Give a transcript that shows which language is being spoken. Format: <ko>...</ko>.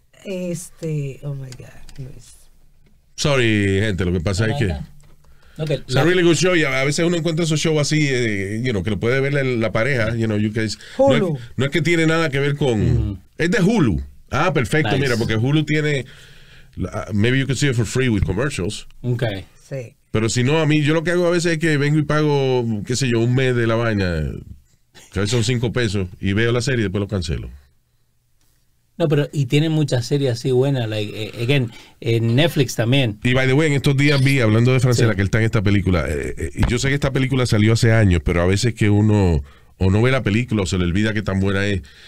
<en>Oh my God, Luis.</en> <es>Sorry, gente, lo que pasa es que...</es> <en>Okay, it's a really good show.</en> <es>Y a veces uno encuentra esos shows así,</es> <en>you know,</en> <es>que lo puede ver la pareja.</es> <en>You know, you guys.</en> <es>Hulu. No es que tiene nada que ver con... Es de Hulu. Ah, perfecto, nice. Mira, porque Hulu tiene...</es> <en>maybe you can see it for free with commercials. Okay.</en> <es>Sí. Pero si no, a mí, yo lo que hago a veces es que vengo y pago, qué sé yo, un mes de la vaina, que a veces son 5 pesos, y veo la serie y después lo cancelo. No, pero, y tiene muchas series así buenas,</es> <en>like, again,</en> <es>en Netflix también. Y</es> <en>by the way,</en> <es>en estos días vi, hablando de Francela, que él está en esta película, y yo sé que esta película salió hace años, pero a veces que uno, o no ve la película, o se le olvida que tan buena es.</es>